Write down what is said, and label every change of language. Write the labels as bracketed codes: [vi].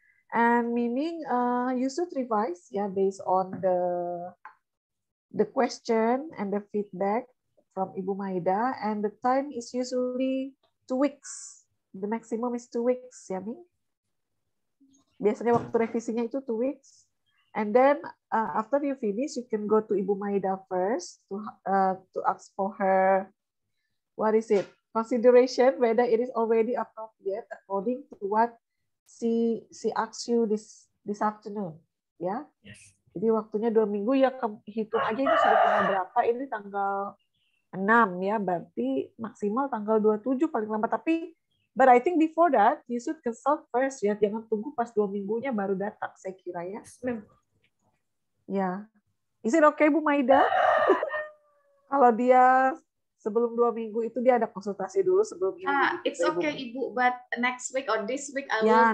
[en] And meaning you should revise yeah based on the question and the feedback from Ibu Maida, and the time is usually 2 weeks. The maximum is 2 weeks, ya yeah, Ming. [id] Biasanya waktu revisinya itu 2 weeks. [en] And then after you finish, you can go to Ibu Maida first to ask for her what is it consideration whether it is already appropriate according to what she asks you this afternoon, ya? Yeah? Yes. [id] Jadi waktunya 2 minggu ya, hitung aja ini sudah tanggal berapa, ini tanggal 6 ya, berarti maksimal tanggal 27 paling lambat. Tapi [en] but I think before that you should consult first [id] ya, jangan tunggu pas 2 minggunya baru datang, saya kira ya. [en] Ya, yeah. Is it okay Bu Maida? [id] Kalau dia sebelum 2 minggu itu dia ada konsultasi dulu sebelum ini. [en] It's okay Ibu, but next week or this week I will